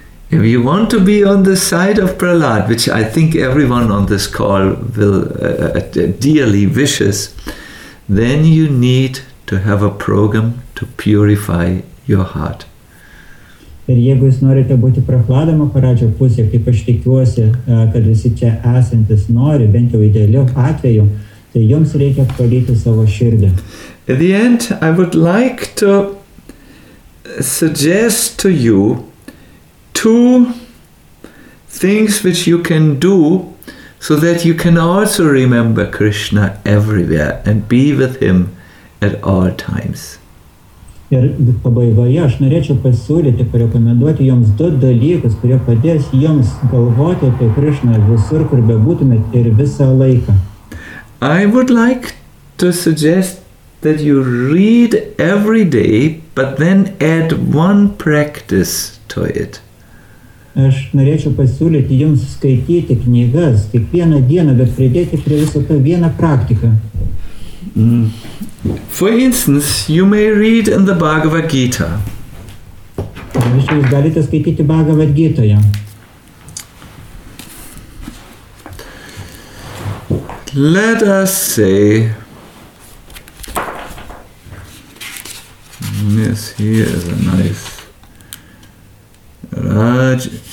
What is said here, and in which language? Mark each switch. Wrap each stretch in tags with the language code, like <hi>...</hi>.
<en>If you want to be on the side of Prahlad, which I think everyone on this call will dearly wishes, then you need to have a program to purify your heart.</en> <lt>Ir jeigu jūs norite būti Prahlada Maharadžio pusėje, kaip aš tikiuosi, kad visi čia esantis nori, bent jau idealiu atveju, tai jums reikia apvalyti savo širdį.</lt> <en>At the end, I would like to suggest to you two things which you can do so that you can also remember Krishna everywhere and be with him at all times.</en> <lt>Ir pabaigoje aš norėčiau pasiūlyti, parekomenduoti jums du dalykus, kurie padės jums galvoti apie Krishna visur, kur bebūtumėt ir visą laiką.</lt> <en>I would like to suggest that you read every day, but then add one practice to it.</en> <lt>Aš norėčiau pasiūlyti jums skaityti knygas kiekvieną dieną, bet pridėti prie viso to vieną praktiką.</lt> <en>For instance, you may read in the Bhagavad Gita.</en> <lt>Pavyzdžiui, jūs galite skaityti Bhagavad Gitoje.</lt> <en>Let us say, yes, here is a nice Raj.</en>